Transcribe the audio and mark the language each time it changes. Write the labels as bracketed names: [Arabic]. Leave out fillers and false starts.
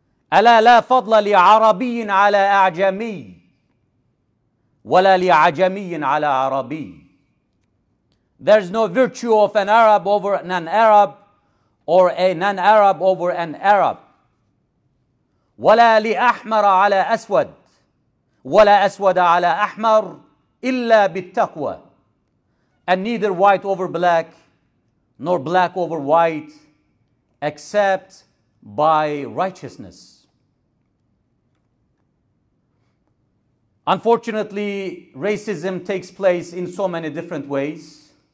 [Arabic] Ala la fadla li arabiyin ala a'jami, وَلَا لِعَجَمِيٍ عَلَىٰ عَرَبِيٍ. [English] There is no virtue of an Arab over an Arab, or a non-Arab over an Arab. [Arabic] ولا لأحمر على أسود ولا أسود على أحمر إلا بالتقوى. [English] And neither white over black, nor black over white, except by righteousness. Unfortunately, racism takes place in so many different ways.